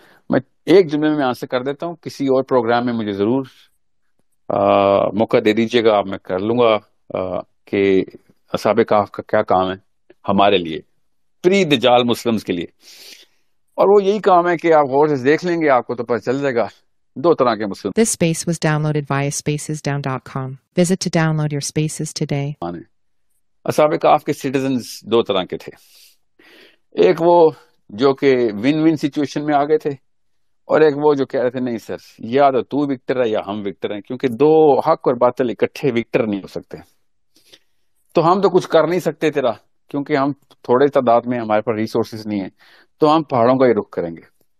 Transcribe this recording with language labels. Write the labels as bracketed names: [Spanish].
[Urdu] میں ایک جملے میں آنسر کر دیتا ہوں, کسی اور پروگرام میں مجھے ضرور موقع دے دیجیے گا, میں کر لوں گا کہ اصحاب کہف کا کیا کام ہے ہمارے لیے, پری دجال مسلمز کے لیے, اور وہ یہی کام ہے کہ آپ غور سے دیکھ لیں گے آپ کو تو پتہ چل جائے گا دو طرح کے مسلم. [English] This space was downloaded via spacesdown.com. Visit to download your spaces today. [Urdu] اصحاب کہف کے سٹیزنز دو طرح کے تھے, ایک وہ جو کہ ون ون سچویشن میں آ گئے تھے, اور ایک وہ جو کہہ رہے تھے نہیں سر, یا تو تو وکٹر ہے یا ہم وکٹر ہیں, کیونکہ دو حق اور باطل اکٹھے وکٹر نہیں ہو سکتے, تو ہم تو کچھ کر نہیں سکتے تیرا, کیونکہ ہم تھوڑے تعداد میں, ہمارے پاس ریسورسز نہیں ہیں, تو ہم پہاڑوں کا ہی رخ کریں گے.